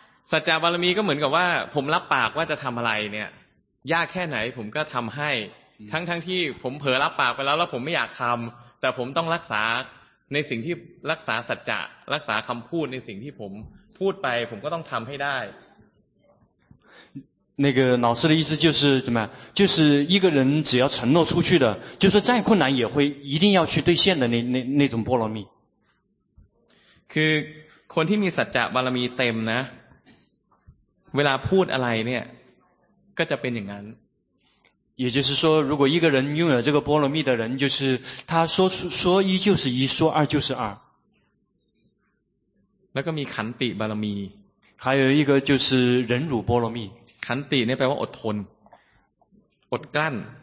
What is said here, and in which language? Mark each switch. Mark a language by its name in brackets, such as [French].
[Thai] สัจจะบารมีก็เหมือนกับว่าผมรับปากว่าจะทำอะไรเนี่ยยากแค่ไหนผมก็ทำให้ทั้งที่ผมเผลอรับปากไปแล้วผมไม่อยากทำแต่ผมต้องรักษาในสิ่งที่รักษาสัจจะรักษาคำพูดในสิ่งที่ผมพูดไปผมก็ต้องทำให้ได้ [Chinese] 那个老师的意思就是怎么样？就是一个人只要承诺出去的，就是再困难也会一定要去兑现的那种波罗蜜。 [Thai] คือคนที่มีสัจจะบารมีเต็มนะเวลาพูดอะไรเนี่ยก็จะเป็นอย่างนั้น [Chinese] 也就是说如果一个人拥有这个波罗蜜的人就是他说一就是一说二就是二 [Thai] แล้วก็มีขันติบารมี [Chinese] 还有一个就是忍辱波罗蜜 [Thai] ขันติเนี่ยแปลว่าอดทนอดกลั้น